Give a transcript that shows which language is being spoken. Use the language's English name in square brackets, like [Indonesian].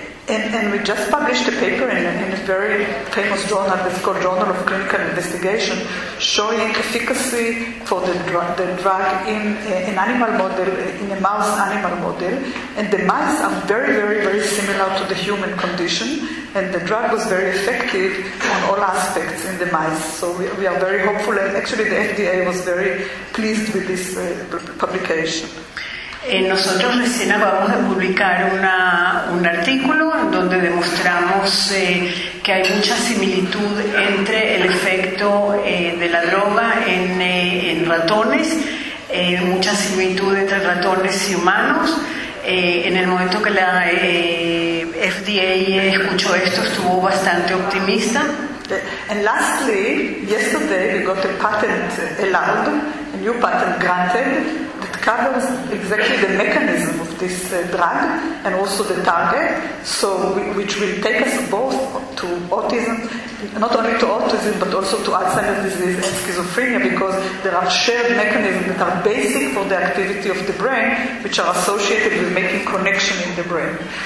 [English] And we just published a paper in a very famous journal, that's called Journal of Clinical Investigation, showing efficacy for the drug in an animal model, in a mouse animal model, and the mice are very, very, very similar to the human condition, and the drug was very effective on all aspects in the mice. So we are very hopeful, and actually the FDA was very pleased with this publication. [Spanish] Nosotros recién acabamos de publicar un artículo en donde demostramos que hay mucha similitud entre el efecto de la droga en ratones, mucha similitud entre ratones y humanos. En el momento que la FDA escuchó esto, estuvo bastante optimista. [English] And lastly, yesterday we got a patent allowed, a new patent granted, that covers exactly the mechanism of this drug and also the target, so which will take us both to autism, not only to autism but also to Alzheimer's disease and schizophrenia, because there are shared mechanisms that are basic for the activity of the brain, which are associated with making connection in the brain.